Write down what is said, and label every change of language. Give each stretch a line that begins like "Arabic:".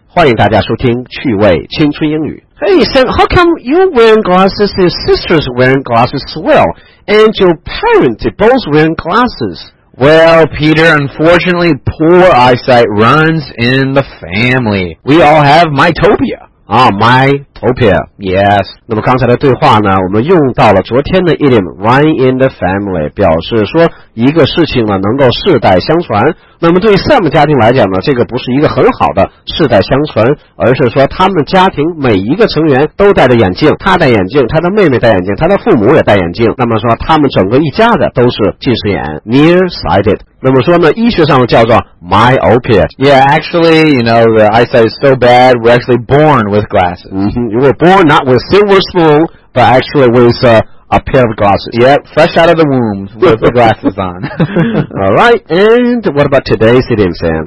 Chinese: 欢迎大家收听趣味青春英语。
English: Hey, Sam, how come you wearing glasses, your sister's wearing glasses as well, and your parents both wearing glasses? Well, Peter, unfortunately, poor eyesight runs in the family. We all have myopia. Ah, myopia. Yes.
Chinese: 那么刚才的对话呢，我们用到了昨天的 idiom,
English: run in the family,
Chinese: 表示说一个事情呢能够世代相传。那么对 Sam 家庭来讲呢，这个不是一个很好的世代相传，而是说他们家庭每一个成员都戴着眼镜，他戴眼镜，他的妹妹戴眼镜，他的父母也戴眼镜，那么说他们整个一家的都是近视眼 nearsighted。那么说呢，医学上叫做 myopia.
English: Yeah, actually, you know, the eyesight is so bad, we're actually born with glasses. You were born not with silver spoon, but actually with a pair of glasses. Yeah, fresh out of the womb with the glasses on. All right, and what about today's idiom, Sam?